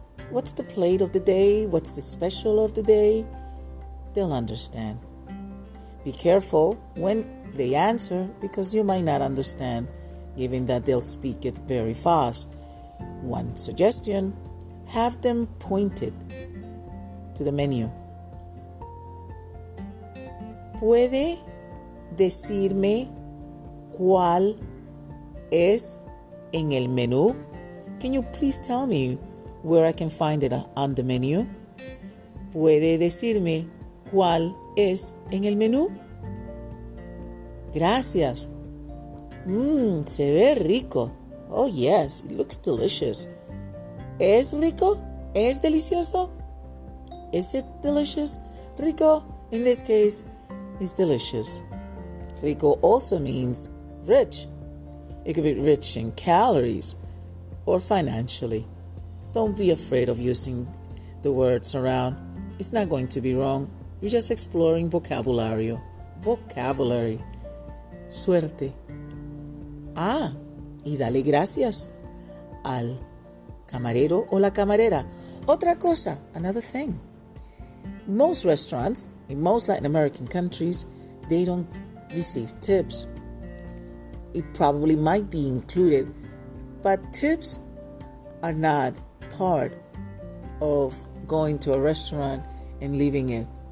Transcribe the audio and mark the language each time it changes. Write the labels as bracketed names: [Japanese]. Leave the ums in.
[English] What's the plate of the day? What's the special of the day? They'll understand. Be careful when they answer because you might not understand, given that they'll speak it very fast. One suggestion have them pointed to the menu. [Spanish] ¿Puede decirme cuál es en el menú? [English] Can you please tell me where I can find it on the menu? [Spanish] ¿Puede decirme cuál es en el menú? Gracias. Mmm, se ve rico. [English] Oh, yes, it looks delicious. [Spanish] ¿Es rico? ¿Es delicioso? [English] Is it delicious? Rico, in this case, is delicious. Rico also means rich. It could be rich in calories or financially. Don't be afraid of using the words around. It's not going to be wrong. You're just exploring vocabulary. Vocabulary. [Spanish] Suerte. Ah, y dale gracias al camarero o la camarera. Otra cosa, [English] another thing. Most restaurants in most Latin American countries, they don't receive tips. It probably might be included, but tips are not part of going to a restaurant and leaving it.